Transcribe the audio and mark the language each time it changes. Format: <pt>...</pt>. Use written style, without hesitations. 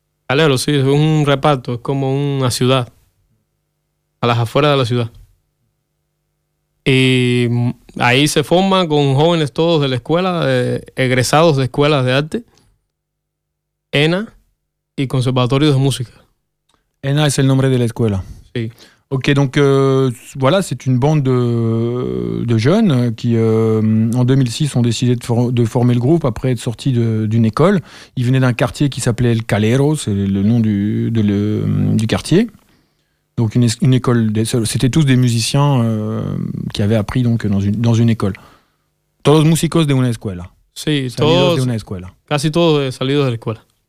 <es>Calero, sí, es un reparto, es como una ciudad, a las afueras de la ciudad. Y ahí se forma con jóvenes todos de la escuela, egresados de escuelas de arte, ENA y Conservatorio de Música. ENA es el nombre de la escuela. Sí.</es> <fr>Ok, donc voilà, c'est une bande de jeunes qui, en 2006, ont décidé de former le groupe après être sortis d'une école. Ils venaient d'un quartier qui s'appelait El Calero, c'est le nom du quartier. Donc une école, c'était tous des musiciens qui avaient appris donc, dans une école.</fr> <es>Todos músicos de una escuela. Sí, todos, de una escuela. Casi todos salidos de la escuela.</es>